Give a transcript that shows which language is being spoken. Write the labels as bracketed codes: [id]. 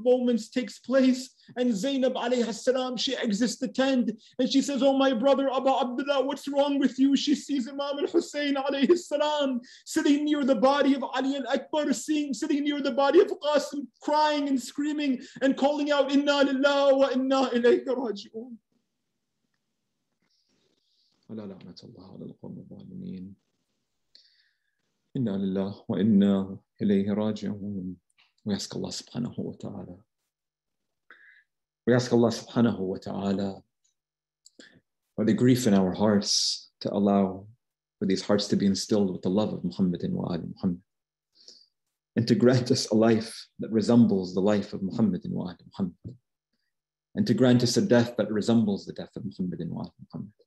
[en] moments takes place. And Zainab alayhi salam, she exits the tent and she says, "Oh my brother Abu Abdullah, what's wrong with you?" She sees Imam al-Hussein alayhi salam sitting near the body of Ali al-Akbar, sitting near the body of Qasim, crying and screaming and calling out, [ar] "Inna lillahi wa inna ilayhi raji'un." ولا لعنة الله على القوم الظالمين إنا لله وإنا إليه راجعون. [en] We ask Allah subhanahu wa ta'ala. We ask Allah subhanahu wa ta'ala for the grief in our hearts, to allow for these hearts to be instilled with the love of Muhammad and wa Ali Muhammad, and to grant us a life that resembles the life of Muhammad and wa Ali Muhammad, and to grant us a death that resembles the death of Muhammad and wa Ali Muhammad.